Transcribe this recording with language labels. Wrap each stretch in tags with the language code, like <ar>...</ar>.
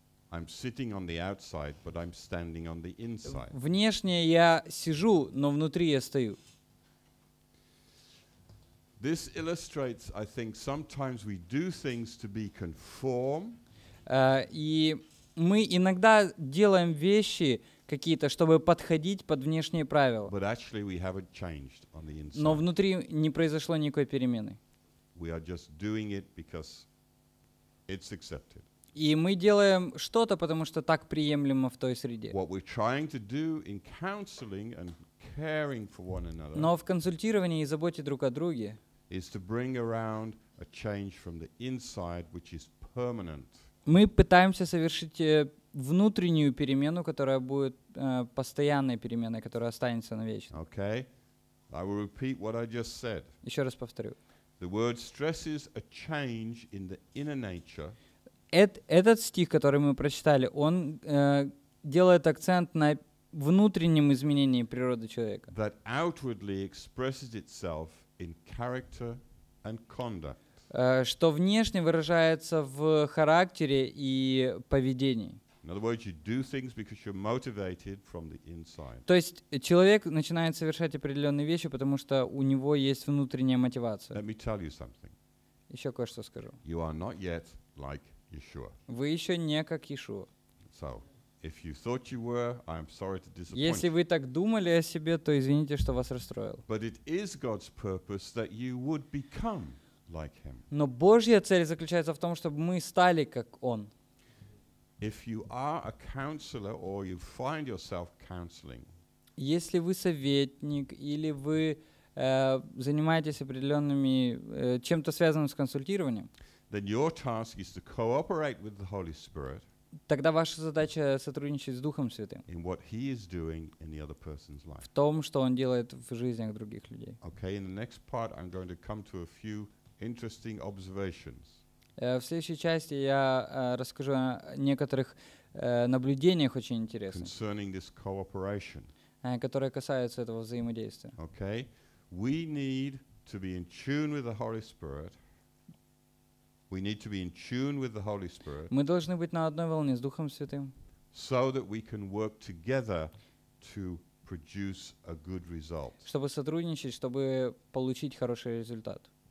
<en>I'm sitting on the outside, but I'm standing on the inside.</en> <ru>Внешне я сижу, но внутри я стою.</ru> <en>This illustrates, I think, sometimes we do things to be conform.</en> <ru>И мы иногда делаем вещи какие-то, чтобы подходить под внешние правила.</ru> <en>But actually we haven't changed on the inside.</en> <ru>Но внутри не произошло никакой перемены.</ru> <en>We are just doing it because it's accepted.</en> <ru>И мы делаем что-то, потому что так приемлемо в той среде.</ru> <en>What we're trying to do in counseling and caring for one another.</en> <ru>Но в консультировании и заботе друг о друге.</ru> <en>Is to bring around a change from the inside, which is permanent.</en> <ru>Мы пытаемся совершить внутреннюю перемену, которая будет постоянной переменой, которая останется навечно.</ru> <en>Okay. I will repeat what I just said.</en> <ru>Еще раз повторю.</ru> <en>The word stresses a change in the inner nature.</en> <ru>Этот стих, который мы прочитали, он делает акцент на внутреннем изменении природы человека.</ru> <en>That outwardly expresses itself in character and conduct.</en> <ru>Что внешне выражается в характере и поведении.</ru> <en>In other words, you do things because you're motivated from the inside.</en> <ru>То есть человек начинает совершать определенные вещи, потому что у него есть внутренняя мотивация.</ru> <en>Let me tell you something.</en> <ru>Еще кое-что скажу.</ru> <en>You are not yet like Yeshua.</en> <ru>Вы еще не как Иешуа.</ru> <en>So, if you thought you were, I'm sorry to disappoint.</en> <ru>Если вы так думали о себе, то извините, что вас расстроил.</ru> <en>But it is God's purpose that you would become like Him.</en> <ru>Но Божья цель заключается в том, чтобы мы стали как Он.</ru> <en>If you are a counselor or you find yourself counseling.</en> <ru>Если вы советник или вы занимаетесь определенными чем-то связанным с консультированием.</ru> <en>Then your task is to cooperate with the Holy Spirit.</en> <ru>Тогда ваша задача сотрудничать с Духом Святым.</ru> <en>In what he is doing in the other person's life.</en> <ru>В том, что он делает в жизнях других людей.</ru> <en>Okay, in the next part I'm going to come to a few interesting observations.</en> <ru>В следующей части я расскажу о некоторых наблюдениях очень интересных.</ru> <en>Concerning this cooperation.</en> <ru>Которые касаются этого взаимодействия.</ru> <en>Okay. We need to be in tune with the Holy Spirit. We need to be in tune with the Holy Spirit.</en> <ru>Мы должны быть на одной волне с Духом Святым.</ru> <en>So that we can work together to produce a good result.</en> <ru>Чтобы сотрудничать, чтобы получить хороший результат.</ru>